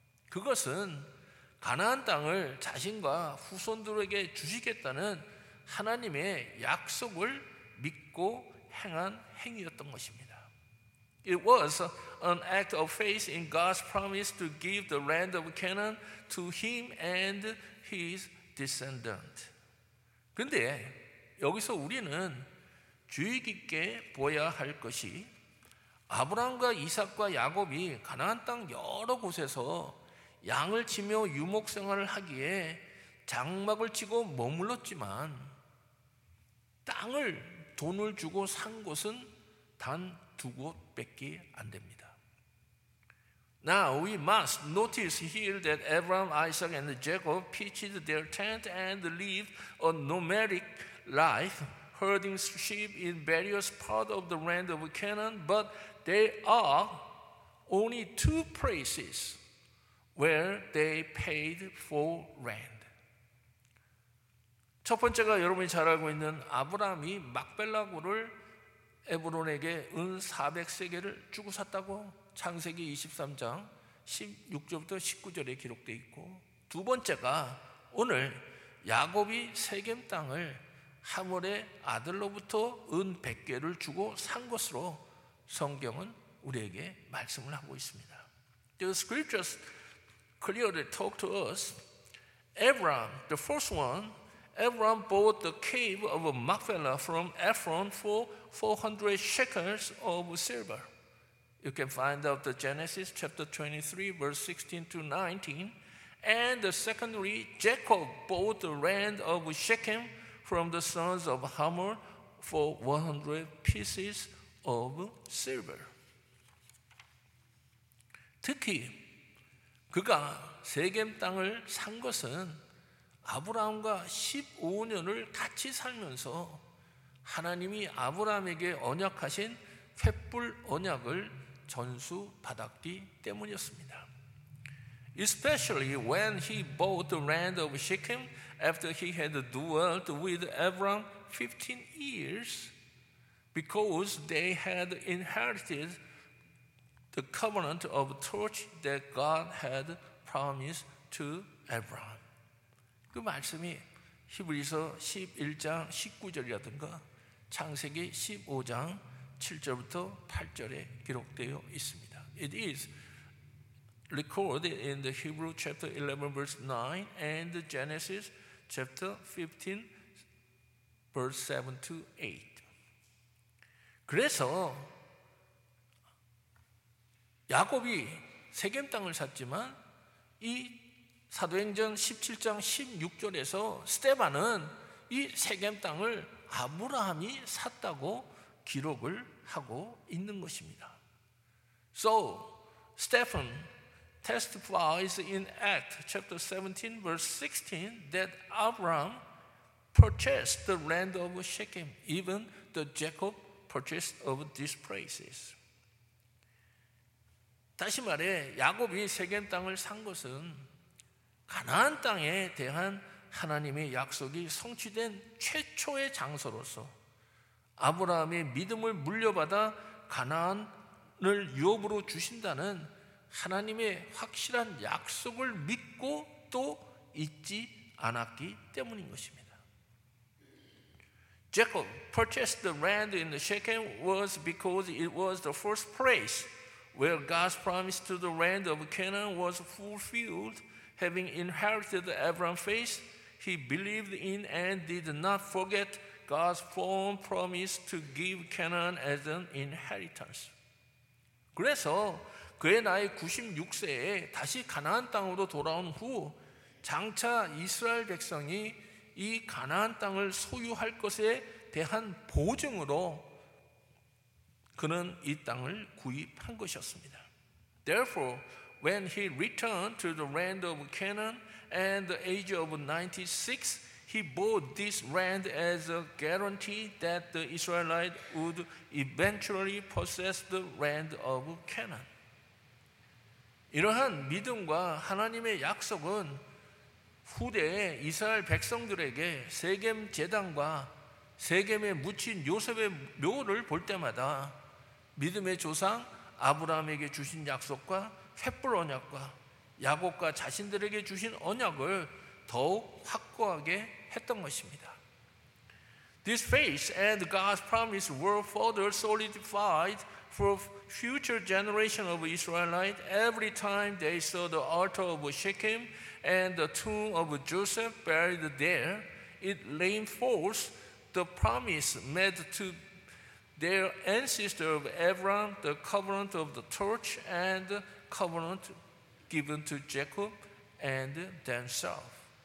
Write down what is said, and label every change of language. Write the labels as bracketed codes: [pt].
[ko] 그것은 가나안 땅을 자신과 후손들에게 주시겠다는 하나님의 약속을 믿고 행한 행위였던 것입니다. [en] It was an act of faith in God's promise to give the land of Canaan to him and his descendant. [ko] 근데 여기서 우리는 주의 깊게 보아야 할 것이 아브라함과 이삭과 야곱이 가나안 땅 여러 곳에서 양을 치며 유목 생활을 하기에 장막을 치고 머물렀지만 땅을 돈을 주고 산 곳은 단 두 곳밖에 안 됩니다. [en] Now we must notice here that Abraham, Isaac, and Jacob pitched their tent and lived a nomadic life, herding sheep in various parts of the land of Canaan, but there are only two places where they paid for land. [ko] 첫 번째가 여러분이 잘 알고 있는 아브라함이 막벨라고를 에브론에게 은 400세겔을 주고 샀다고 창세기 23장 16절부터 19절에 기록되어 있고 두 번째가 오늘 야곱이 세겜 땅을 하몰의 아들로부터 은 100개를 주고 산 것으로 성경은 우리에게 말씀을 하고 있습니다. [en] The scriptures clearly talk to us. Abraham, the first one, Abraham bought the cave of Machpelah from Ephron for 400 shekels of silver. You can find out the Genesis chapter 23, verse 16 to 19. And the secondary, Jacob bought the land of Shechem from the sons of Hamor for 100 pieces of silver. [ko] 특히 그가 세겜 땅을 산 것은 아브라함과 15년을 같이 살면서 하나님이 아브라함에게 언약하신 횃불 언약을 전수받았기 때문이었습니다. [en] Especially when he bought the land of Shechem after he had dwelt with Abraham 15 years because they had inherited the covenant of torch that God had promised to Abraham. [ko] 그 말씀이 히브리서 11장 19절이라든가 창세기 15장 7절부터 8절에 기록되어 있습니다. [en] It is recorded in the Hebrew chapter 11 verse 9 and Genesis chapter 15 verse 7 to 8. [ko] 그래서 야곱이 세겜 땅을 샀지만 이 사도행전 17장 16절에서 스데반은 이 세겜 땅을 아브라함이 샀다고 기록을 하고 있는 것입니다. [en] So, Stephen testifies in Acts chapter 17 verse 16 that Abraham purchased the land of Shechem, even the Jacob purchased of these places. [ko] 다시 말해 야곱이 세겜 땅을 산 것은 가나안 땅에 대한 하나님의 약속이 성취된 최초의 장소로서 아브라함의 믿음을 물려받아 가나안을 유업으로 주신다는 하나님의 확실한 약속을 믿고 또 잊지 않았기 때문인 것입니다. [en] Jacob purchased the land in the Shechem was because it was the first place where God's promise to the land of Canaan was fulfilled. Having inherited Abraham's faith, he believed in and did not forget God's firm promise to give Canaan as an inheritance. [ko] 그래서 그의 나이 96세에 다시 가나안 땅으로 돌아온 후 장차 이스라엘 백성이 이 가나안 땅을 소유할 것에 대한 보증으로 그는 이 땅을 구입한 것이었습니다. [en] Therefore, when he returned to the land of Canaan at the age of 96, he bought this land as a guarantee that the Israelites would eventually possess the land of Canaan. [ko] 이러한 믿음과 하나님의 약속은 후대에 이스라엘 백성들에게 세겜 제단과 세겜에 묻힌 요셉의 묘를 볼 때마다 믿음의 조상 아브라함에게 주신 약속과 횃불 언약과 야곱과 자신들에게 주신 언약을 더욱 확고하게 했던 것입니다. [en] This faith and God's promise were further solidified for future generation of Israelites every time they saw the altar of Shechem and the tomb of Joseph buried there. It reinforced the promise made to their ancestor of Abraham, the covenant of the torch and the covenant given to Jacob and themselves.